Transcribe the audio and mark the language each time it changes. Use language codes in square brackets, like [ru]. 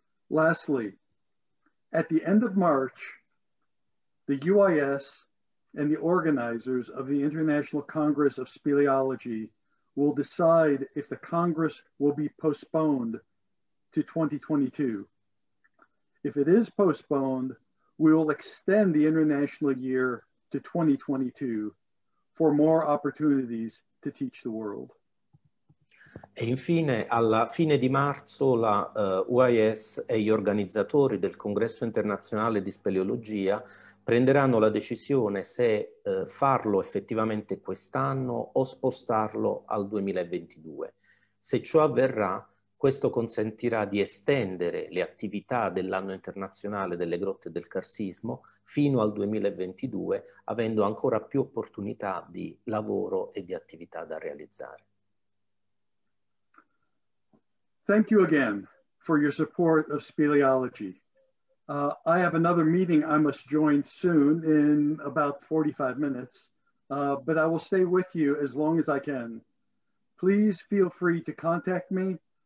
[en] Lastly, at the end of March, the UIS and the organizers of the International Congress of Speleology will decide if the Congress will be postponed to 2022. If it is postponed, we will extend the international year to 2022 for more opportunities to teach the world. [it] E infine, alla fine di marzo, la UIS e gli organizzatori del Congresso Internazionale di Speleologia prenderanno la decisione se farlo effettivamente quest'anno o spostarlo al 2022. Se ciò avverrà, questo consentirà di estendere le attività dell'anno internazionale delle grotte del carsismo fino al 2022, avendo ancora più opportunità di lavoro e di attività da realizzare. [en] Thank you again for your support of speleology. I have another meeting I must join soon in about 45 minutes, but I will stay with you as long as I can. Please feel free to contact me.